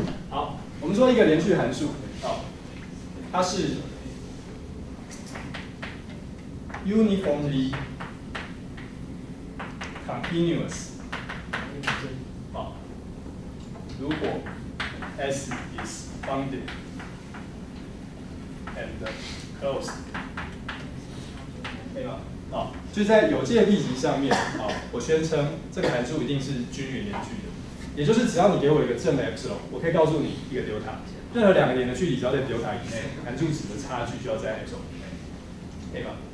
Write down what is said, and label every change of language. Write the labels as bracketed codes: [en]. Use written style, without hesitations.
[zh] 好，我们说一个连续函数，好，它是 uniformly continuous。 [en] 好， [zh] 如果 [en] s is bounded and closed， [zh] 可以吗？好，就在有界地级上面，好，我宣称这个函数一定是均匀连续的，也就是只要你给我一个正 epsilon， 我可以告诉你一个 delta， 任何两个点的距离只要在 delta 以内，函数值的差距就要在 epsilon 以内，可以吗？